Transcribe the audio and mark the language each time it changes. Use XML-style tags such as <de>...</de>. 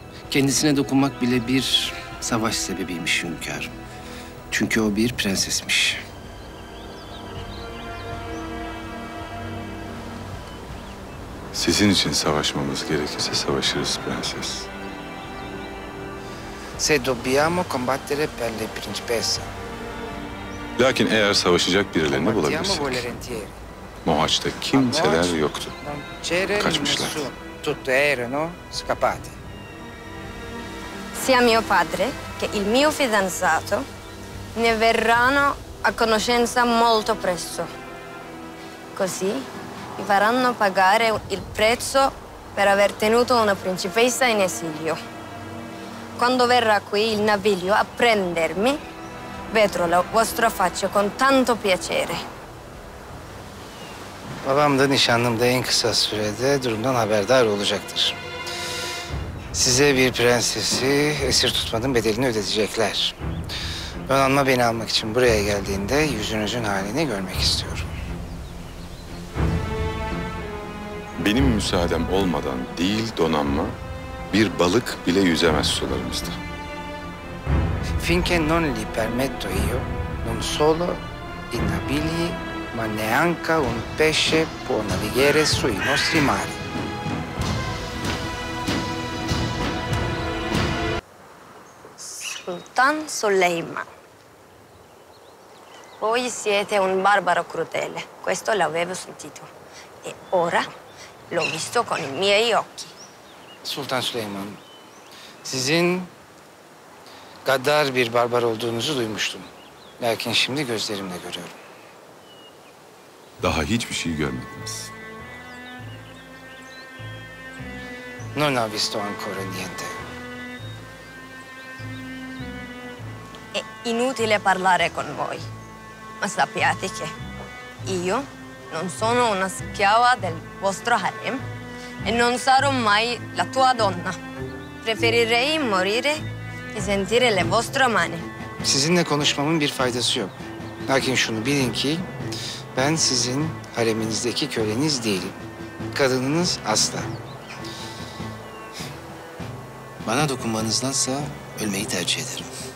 <tr>Kendisine dokunmak bile bir savaş sebebiymiş hünkâr. Çünkü o bir prensesmiş. Sizin için savaşmamız gerekirse savaşırız prenses.</tr> <it>Se dobbiamo combattere per le principesse.</it> <tr>Lakin eğer savaşacak birilerini bulabilirsek. Mohaç'ta kimseler yoktu. Kaçmışlar.</tr> <it>Tutto erano scappati. Sia mio padre che il mio fidanzato ne verranno a conoscenza molto presto. Così vi faranno pagare il prezzo per aver tenuto una principessa in esilio. Quando verrà qui il naviglio a prendermi, vedrò la vostra faccia con tanto piacere.</it> <tr>Babam da nişanlım da en kısa sürede durumdan haberdar olacaktır. Size bir prensesi esir tutmanın bedelini ödetecekler. Donanma beni almak için buraya geldiğinde yüzünüzün halini görmek istiyorum. Benim müsaadem olmadan değil donanma, bir balık bile yüzemez sularımızda.</tr> <it>Finché non li permetto io, non solo i nabili, ma neanche un pesce può navigare sui nostri mari. Sultan Suleyman. Voi siete un barbaro crudele, questo l'avevo sentito. E ora l'ho visto con i miei occhi.</it> <tr>Sultan Süleyman, sizin gaddar bir barbar olduğunuzu duymuştum. Lakin şimdi gözlerimle görüyorum. Daha hiçbir şey görmediniz.</tr> <it>Non ho visto ancora niente. È inutile parlare con voi. Ma sappiate che io non sono una schiava del vostro harem e non sarò mai la tua donna. Preferirei morire che sentire le vostre mani.</it> <tr>Sizinle konuşmamın bir faydası yok. Lakin şunu bilin ki ben sizin hareminizdeki köleniz değilim. Kadınınız asla. Bana dokunmanızdansa ölmeyi tercih ederim.</tr>